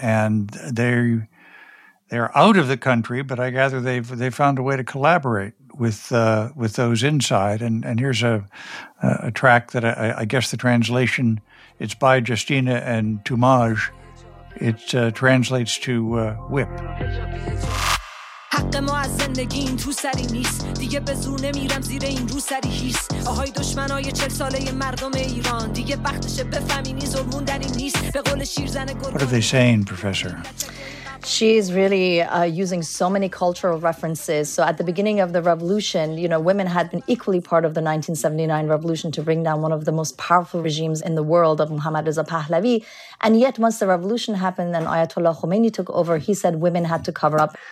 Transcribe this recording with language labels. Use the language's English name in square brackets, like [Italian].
[English] And they're out of the country, but I gather they found a way to collaborate with those inside. And here's a track that I guess the translation, it's by Justina and Tumaj. It translates to whip. [Persian] حق ما از زندگی این تو سری نیست دیگه به زور نمیرم زیر این رو سری هیست آهای دشمنای 40 ساله مردم ایران دیگه وقتشه بفهمینی زلموندنی نیست به قول شیرزن گل. [English] What are they saying, professor? She's really using so many cultural references. So at the beginning of the revolution, you know, women had been equally part of the 1979 revolution to bring down one of the most powerful regimes in the world of Mohammad Reza Pahlavi. And yet once the revolution happened and Ayatollah Khomeini took over, he said women had to cover up.